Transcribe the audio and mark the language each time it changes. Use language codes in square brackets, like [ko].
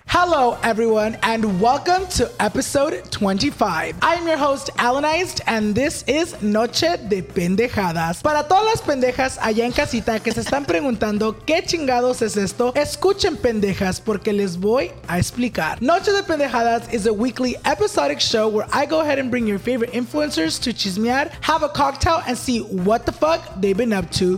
[en] Hello everyone and welcome to episode 25. I am your host Alanized and this is Noche de Pendejadas. [es] Para todas las pendejas allá en casita que se están preguntando qué chingados es esto, escuchen pendejas porque les voy a explicar. [en] Noche de Pendejadas is a weekly episodic show where I go ahead and bring your favorite influencers to chismear, have a cocktail and see what the fuck they've been up to.